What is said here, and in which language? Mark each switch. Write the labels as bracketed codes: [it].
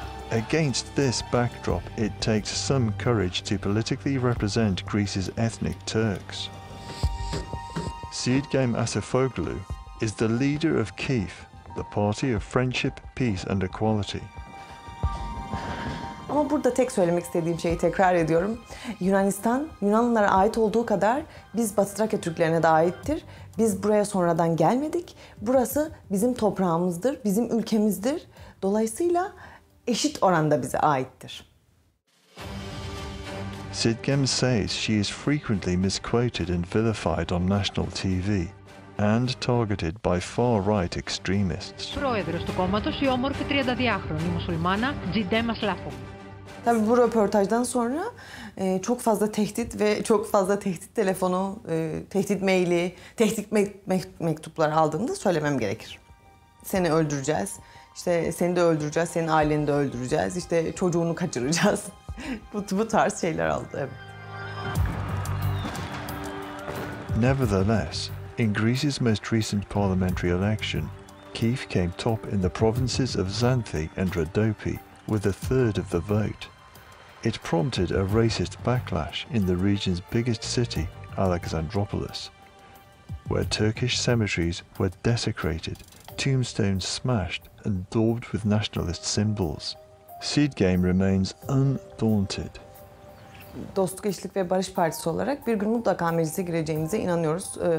[en] Against this backdrop, it takes some courage to politically represent Greece's ethnic Turks. Sidgem Asifoglu is the leader of KEEF, the Party of Friendship, Peace and Equality. [tr] Ama burada tek söylemek istediğim şeyi tekrar ediyorum. Yunanistan, Yunanlılara ait olduğu kadar biz Batı Trakya Türklerine de aittir. Biz buraya sonradan gelmedik. Burası bizim toprağımızdır, bizim ülkemizdir. Dolayısıyla eşit oranda bize aittir. [en] Sidgem says she is frequently misquoted and vilified on national TV and targeted by far-right extremists. [el] Πρόεδρος του κόμματος, η όμορφη 32χρονη μουσουλμάνα, Τζιντέμα Σλάφο. [tr] Tabii bu röportajdan sonra çok fazla tehdit ve çok fazla tehdit telefonu, tehdit maili, tehdit mektupları aldığımda söylemem gerekir. Seni öldüreceğiz, işte seni de öldüreceğiz, senin aileni de öldüreceğiz, işte çocuğunu kaçıracağız. bu tarz şeyler aldı, evet. [en] Nevertheless, in Greece's most recent parliamentary election, KEEF came top in the provinces of Xanthi and Rhodope with a third of the vote. It prompted a racist backlash in the region's biggest city, Alexandropolis, where Turkish cemeteries were desecrated, tombstones smashed and daubed with nationalist symbols. Sidgem remains undaunted. [tr] Dostluk, Eşitlik ve Barış Partisi olarak bir gün mutlaka meclise gireceğimize inanıyoruz.